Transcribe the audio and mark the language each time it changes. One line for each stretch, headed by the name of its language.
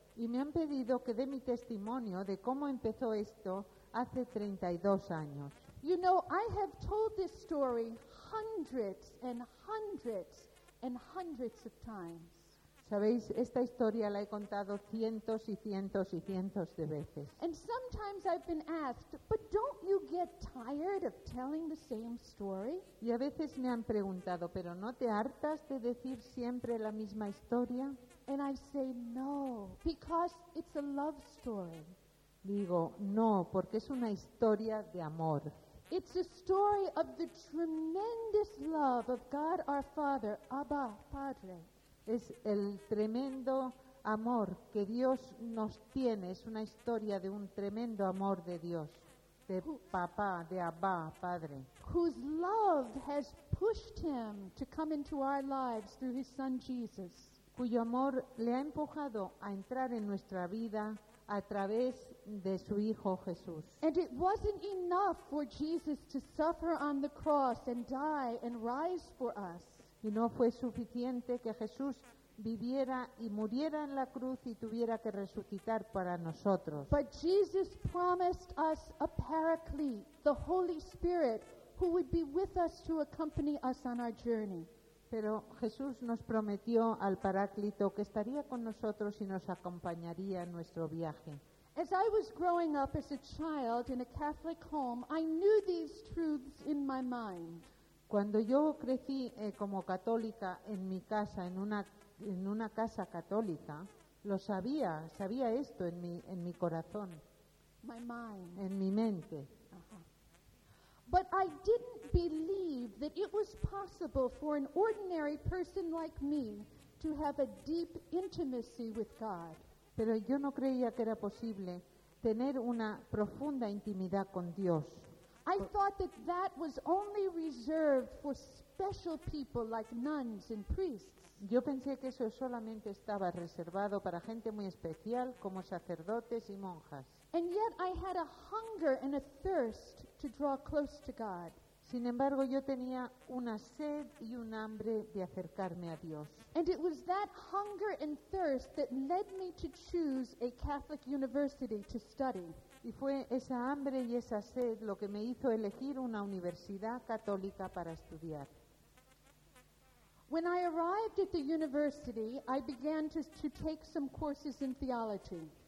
Spanish: Y me han pedido que dé mi testimonio de cómo empezó esto hace 32 años.
English: You know, I have told this story hundreds and hundreds and hundreds of times.
Spanish: Sabéis, esta historia la he contado cientos y cientos y cientos de veces.
English: And sometimes I've been asked, but don't you get tired of telling the same story?
Spanish: Y a veces me han preguntado, ¿pero no te hartas de decir siempre la misma historia?
English: And I say, no, because it's a love story.
Spanish: Digo, no, porque es una historia de amor.
English: It's a story of the tremendous love of God our Father, Abba, Padre.
Spanish: Es el tremendo amor que Dios nos tiene. Es una historia de un tremendo amor de Dios, de papá, de Abba, padre.
English: Whose love has pushed him to come into our lives through his son Jesus.
Spanish: Cuyo amor le ha empujado a entrar en nuestra vida a través de su hijo Jesús.
English: And it wasn't enough for Jesus to suffer on the cross and die and rise for us.
Spanish: Y no fue suficiente que Jesús viviera y muriera en la cruz y tuviera que resucitar para nosotros.
English: But Jesus promised us a paraclete, the Holy Spirit, who would be with us to accompany us on our journey.
Spanish: Pero Jesús nos prometió al paráclito que estaría con nosotros y nos acompañaría en nuestro viaje.
English: As I was growing up as a child in a Catholic home, I knew these truths in my mind.
Spanish: Cuando yo crecí como católica en mi casa, en una casa católica, lo sabía esto en mi corazón,
English: my mind.
Spanish: En mi mente.
English: But I didn't believe that it was possible for an ordinary person like me to have a deep intimacy with God.
Spanish: Pero yo no creía que era posible tener una profunda intimidad con Dios.
English: I thought that was only reserved for special people like nuns and priests.
Spanish: Yo pensé que eso solamente estaba reservado para gente muy especial como sacerdotes y monjas.
English: And yet I had a hunger and a thirst to draw close to God.
Spanish: Sin embargo, yo tenía una sed y un hambre de acercarme a Dios.
English: And it was that hunger and thirst that led me to choose a Catholic university to study.
Spanish: Y fue esa hambre y esa sed lo que me hizo elegir una universidad católica para estudiar.
English: When I arrived at the university, I began to take some courses in theology.